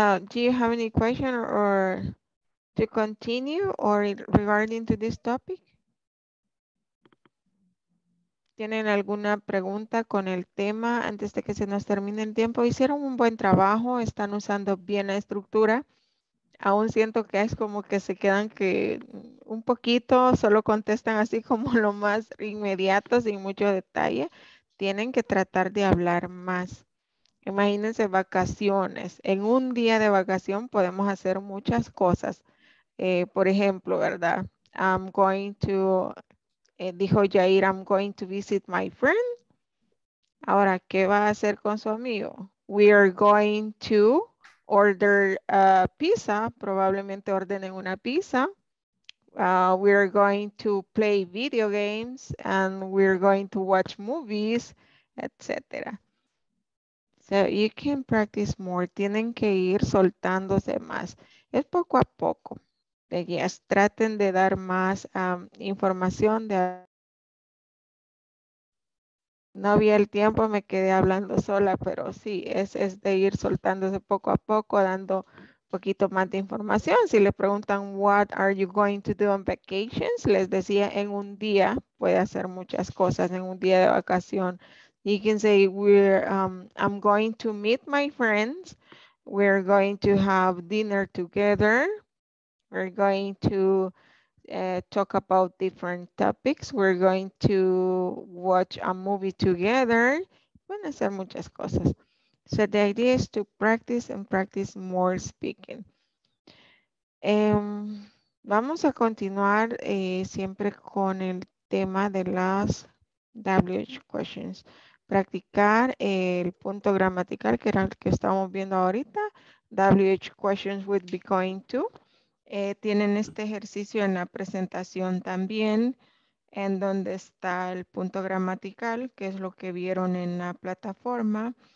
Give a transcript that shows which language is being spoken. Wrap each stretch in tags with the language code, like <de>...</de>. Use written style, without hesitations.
<en>Do you have any question or to continue or regarding to this topic?</en> <es>¿Tienen alguna pregunta con el tema antes de que se nos termine el tiempo? Hicieron un buen trabajo, están usando bien la estructura. Aún siento que es como que se quedan que un poquito, solo contestan así como lo más inmediato, sin mucho detalle. Tienen que tratar de hablar más. Imagínense vacaciones. En un día de vacación podemos hacer muchas cosas. Por ejemplo, ¿verdad? Dijo Jair,</es> <en>I'm going to visit my friend.</en> <es>Ahora, ¿qué va a hacer con su amigo?</es> <en>We are going to order a pizza.</en> <es>Probablemente ordenen una pizza.</es> <en>We are going to play video games and we are going to watch movies, etc. So you can practice more.</en> <es>Tienen que ir soltándose más. Es poco a poco. Yes, traten de dar más información. No vi el tiempo, me quedé hablando sola, pero sí, es de ir soltándose poco a poco, dando poquito más de información. Si le preguntan,</es> <en>what are you going to do on vacations?</en> <es>Les decía, en un día puede hacer muchas cosas, en un día de vacación.</es> <en>You can say, I'm going to meet my friends. We're going to have dinner together. We're going to talk about different topics. We're going to watch a movie together.</en> <es>Pueden hacer muchas cosas.</es> <en>So the idea is to practice and practice more speaking.</en> <es>Vamos a continuar siempre con el tema de las WH questions. Practicar el punto gramatical que era el que estamos viendo ahorita.</es> <en>WH questions with be going to.</en> <es>Tienen este ejercicio en la presentación también, en donde está el punto gramatical, que es lo que vieron en la plataforma.</es>